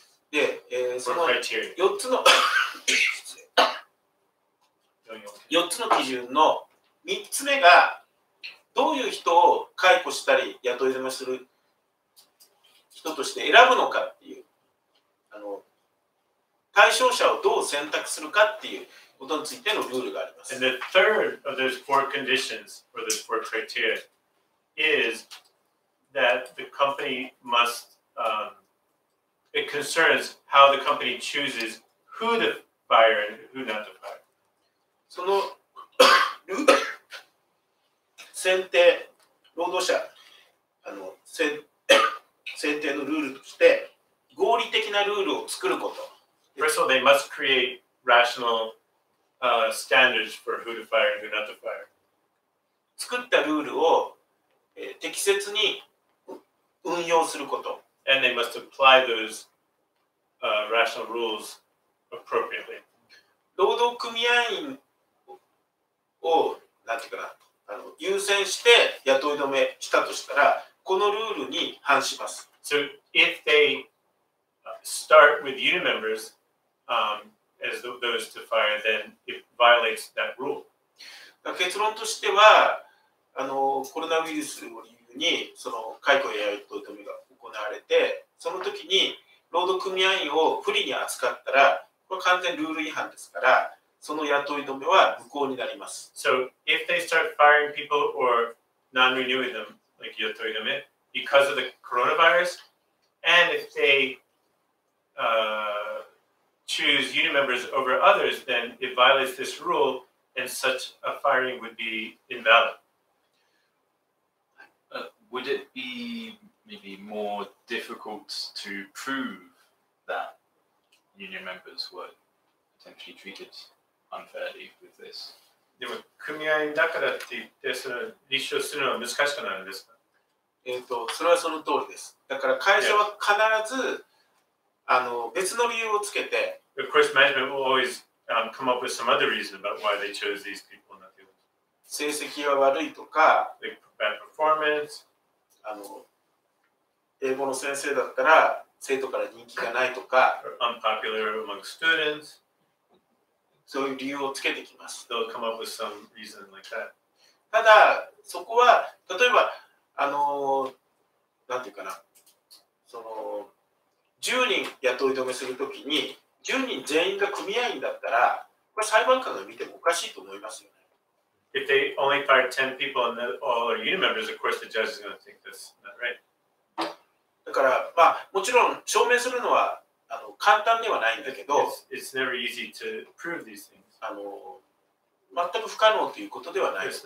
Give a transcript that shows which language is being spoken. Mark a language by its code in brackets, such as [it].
[ja] で、その4つの4つの基準の3つ目が、どういう人を解雇したり雇い止めする人として選ぶのかっていう、対象者をどう選択するかっていうことについてのルールがあります。 [en] And the third of those four conditions or those four criteria is that the company must, it concerns how the company chooses who to fire and who not to fire. [ja] その選定、労働者、選定のルールとして合理的なルールを作ること。 [en] First of all, they must create rational standards for who to fire and who not to fire. [ja] 作ったルールを、適切に運用すること。 [en] And they must apply those rational rules appropriately. [ja] 労働組合員を、なんていうかな、優先して雇い止めしたとしたら、このルールに反します。 [en] So if they start with union members, as those to fire, then it violates that rule. [ja] 結論としては、コロナウイルスを理由にその解雇や雇い止めが行われて、その時に労働組合員を不利に扱ったら、これ完全ルール違反ですから、その雇い止めは無効になります。 [en] So if they start firing people or non-renewing them, like 雇い止め, because of the coronavirus, and if they choose union members over others, then it violates this rule, and such a firing would be invalid. Would it be maybe more difficult to prove that union members were potentially treated unfairly with this? [ja] でも組合だからって言ってその立証するのは難しくなるんですか？それはその通りです。だから会社は必ず、 [en] yeah. [ja] 別の理由をつけて、 [en] Of course, management will always come up with some other reason about why they chose these people and that. [ja] 成績が悪いとか、 [en] like、bad performance. [ja] 英語の先生だったら生徒から人気がないとか、 [en] or unpopular among students. [ja] そういう理由をつけてきます。 [en] They'll come up with some reason like that. [ja] ただそこは例えばなんていうかな、その10人雇い止めするときに10人全員が組合員だったら、これ裁判官が見てもおかしいと思いますよね。 [en] If they only fired 10 people and all are union members, of course the judge is going to think that's not right. [ja] だから、まあ、もちろん証明するのは簡単ではないんだけど、 [en] it's never easy to prove these things. [ja] 全く不可能ということではないです。